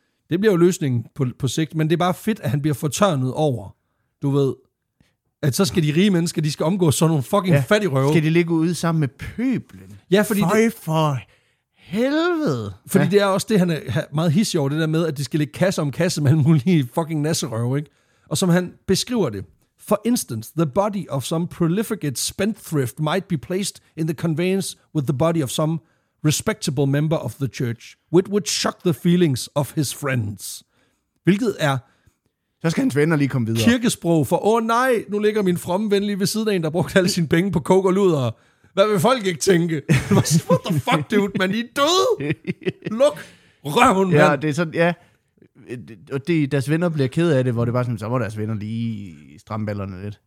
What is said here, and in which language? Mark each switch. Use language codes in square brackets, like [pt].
[da] Det bliver jo løsningen på sigt, men det er bare fedt, at han bliver fortørnet over, du ved, at så skal de rige mennesker, de skal omgås sådan nogle fucking fattige røve. Skal de ligge ude sammen med pøblen? Ja, fordi for helvede! Fordi det er også det, han er meget hissig over, det der med, at de skal ligge kasse om kasse med alle mulige fucking nasserøve, ikke? Og som han beskriver det, [en] for instance, the body of some prolificate spendthrift might be placed in the conveyance with the body of some respectable member of the church, which would shock the feelings of his friends. [da] Hvilket er... Så skal hans venner lige komme videre. Kirkesprog for, nej, nu ligger min fromme ven lige ved siden af en, der brugte alle sine penge på coke og luder. Hvad vil folk ikke tænke? [en] What the fuck, dude, man, [da] I er døde? Luk røven, mand. Ja, det er sådan, ja... Og deres venner bliver ked af det, hvor det bare sådan, så var deres venner lige stramme ballerne lidt.